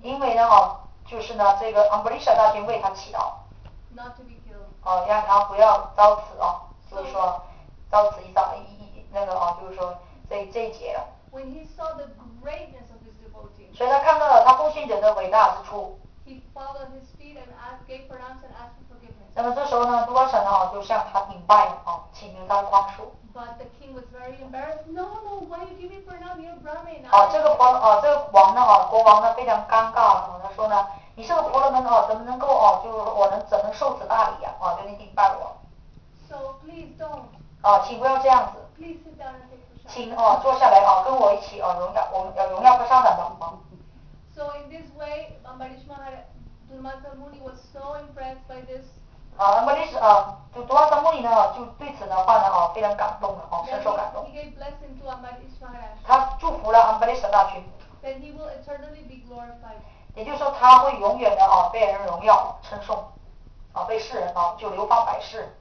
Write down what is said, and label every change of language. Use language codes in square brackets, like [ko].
[zh] 因为呢就是呢这个Ambarish大君为他祈祷。 [en] Not to be killed. [zh] 让他不要遭此就是说遭此一遭就是说这一劫。 [en] When he saw the greatness of his devotee, [zh] 所以他看到了他奉献者的伟大之处。 [en] He followed his feet and asked, gave pranams and asked for forgiveness. [zh] 那么这时候呢，多闪就向他顶拜请求他宽恕。 [en] But the king was very embarrassed. No, no, why you give me pranam? You're Brahmin. [zh] 这个国王呢非常尴尬他说呢。你是个婆罗门哦，怎么能够哦，就是我能怎么受此大礼呀、啊？哦，就你顶拜我。 [en] So please don't. [zh] 哦，请不要这样子。 [en] Please sit down and take a [zh] 请哦，坐下来哦，跟我一起哦，荣耀，我们要荣耀和上等的哦。 [en] So in this way, Ambarish Maharaj, Durmasa Muni was so impressed by this. [zh] 啊，那么这是啊，就多拉萨穆尼呢，就对此的话呢，哦，非常感动的哦，深受感动。 [en] He gave blessing to Ambarish Maharaj. [zh] 他祝福了 Ambarish 大君。 [en] Then he will eternally be glorified. [zh] 也就是说，他会永远的哦，被人荣耀称颂，啊，被世人啊，就流芳百世